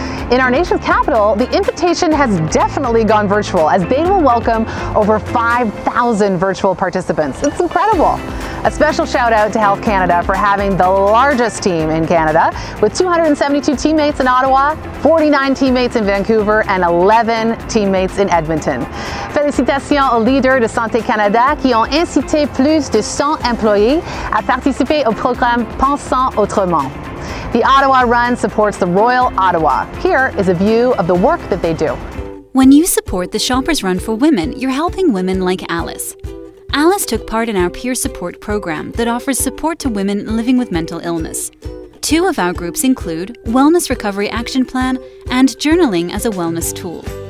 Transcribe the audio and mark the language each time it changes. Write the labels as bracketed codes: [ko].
[en] In our nation's capital, the invitation has definitely gone virtual as they will welcome over 5,000 virtual participants. It's incredible. A special shout out to Health Canada for having the largest team in Canada with 272 teammates in Ottawa, 49 teammates in Vancouver, and 11 teammates in Edmonton. [fr] Félicitations aux leaders de Santé Canada qui ont incité plus de 100 employés à participer au programme Pensant Autrement. [en] The Ottawa Run supports the Royal Ottawa. Here is a view of the work that they do. When you support the Shoppers Run for Women, you're helping women like Alice. Alice took part in our peer support program that offers support to women living with mental illness. Two of our groups include Wellness Recovery Action Plan and Journaling as a Wellness Tool.